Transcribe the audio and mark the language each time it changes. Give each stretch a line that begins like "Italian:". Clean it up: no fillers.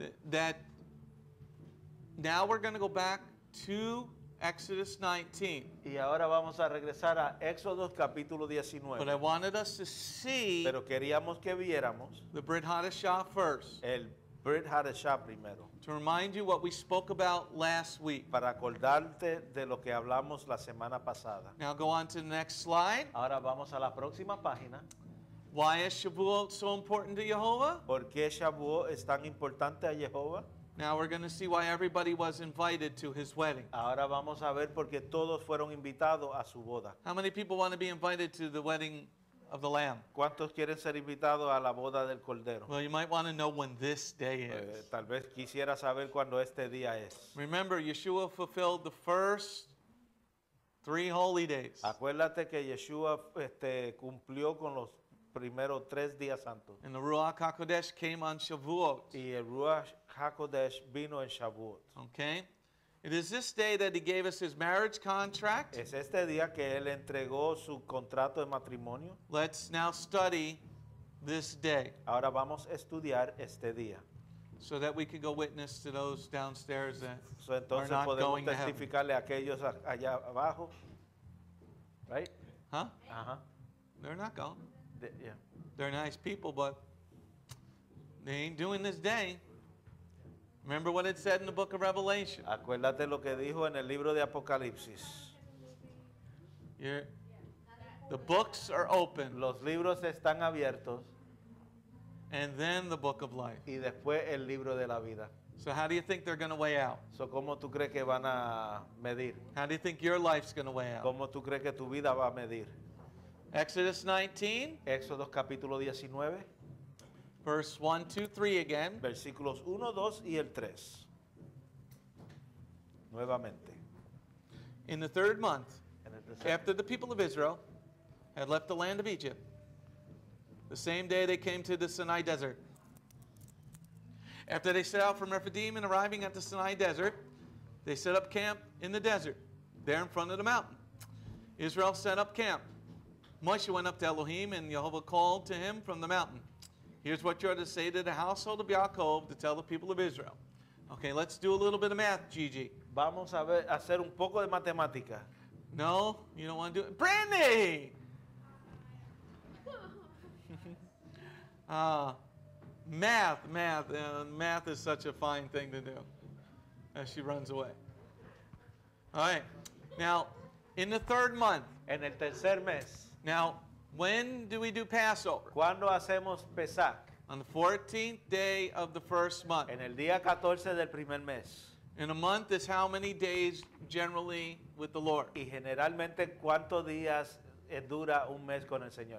English: That now we're going to go back to Exodus 19.
Spanish: Y ahora vamos a regresar a Éxodos capítulo 19.
English: But I wanted us to see
Spanish: Pero queríamos que viéramos
English: the Brit Hadashah first.
Spanish: El Brit Hadashah primero.
English: To remind you what we spoke about last week.
Spanish: Para acordarte de lo que hablamos la semana pasada.
English: Now go on to the next slide.
Spanish: Ahora vamos a la próxima página.
English: Why is Shavuot so important to Jehovah?
Spanish: ¿Por qué Shavuot es tan importante a Jehovah?
English: Now we're going to see why everybody was invited to his wedding.
Spanish: Ahora vamos a ver por qué todos fueron invitados a su boda.
English: How many people want to be invited to the wedding of the Lamb?
Spanish: ¿Cuántos quieren ser invitados a la boda del Cordero?
English: Well, you might want to know when this day is.
Spanish: Tal vez quisiera saber cuándo este día es.
English: Remember, Yeshua fulfilled the first 3 holy days.
Spanish: Acuérdate que Yeshua cumplió con los primero 3 días santos.
English: And the Ruach HaKodesh came on Shavuot.
Spanish: Y el Ruach HaKodesh vino en Shavuot.
English: Okay. It is this day that he gave us his marriage contract.
Spanish: Es este día que él entregó su contrato de matrimonio.
English: Let's now study this day.
Spanish: Ahora vamos a estudiar este día.
English: So that we can go witness to those downstairs that
Spanish: so entonces
English: are not
Spanish: podemos
English: going
Spanish: testificarle
English: to
Spanish: a aquellos allá abajo. Right? Huh? Uh-huh.
English: They're not going. Yeah. They're nice people, but they ain't doing this day. Remember what it said in the book of Revelation.
Spanish: Acuérdate lo que dijo en el libro de Apocalipsis.
English: The books are open.
Spanish: Los libros están abiertos.
English: And then the book of life.
Spanish: Y después el libro de la vida.
English: So how do you think they're going to weigh out?
Spanish: So cómo tú crees que van a medir?
English: How do you think your life's going to weigh out?
Spanish: ¿Cómo tú crees que tu vida va a medir?
English: Exodus 19.
Spanish: Éxodo capítulo 19.
English: Verse 1, 2, 3 again.
Spanish: Versículos 1, 2 y el 3. Nuevamente.
English: In the third month, after the people of Israel had left the land of Egypt, the same day they came to the Sinai Desert. After they set out from Rephidim and arriving at the Sinai Desert, they set up camp in the desert, there in front of the mountain. Israel set up camp. Moshe went up to Elohim, and Jehovah called to him from the mountain. Here's what you are to say to the household of Yaakov to tell the people of Israel. Okay, let's do a little bit of math, Gigi.
Spanish: Vamos a ver, hacer un poco de matemática.
English: No, you don't want to do it. Brandy! math. Math is such a fine thing to do as she runs away. All right. Now, in the third month.
Spanish: En el tercer mes.
English: Now, when do we do Passover?
Spanish: ¿Cuándo hacemos Pesach?
English: On the 14th day of the first month.
Spanish: En el día 14 del primer mes.
English: In a month is how many days generally with the Lord?
Spanish: Y generalmente, ¿cuántos días dura un mes con el Señor?